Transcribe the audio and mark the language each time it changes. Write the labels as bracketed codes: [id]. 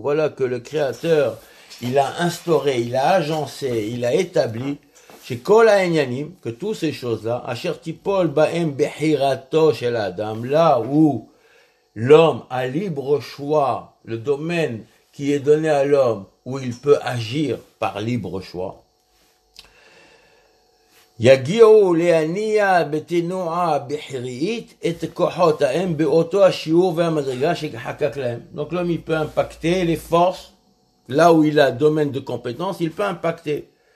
[fr] Voilà que le Créateur, il a instauré, il a agencé, il a établi chez [he] kol ha'inyanim [fr] que toutes ces choses-là, [he] asher tipol ba'em behirato shel adam, [fr] là où l'homme a libre choix, le domaine qui est donné à l'homme où il peut agir par libre choix. [he] יגיעו להניע בתנועה בחירית את כוחות האם באותו השיעור והמדרגה שחקק להם. [fr] Donc l'homme, il peut impacter les forces là où il a domaine de compétence, il peut impacter.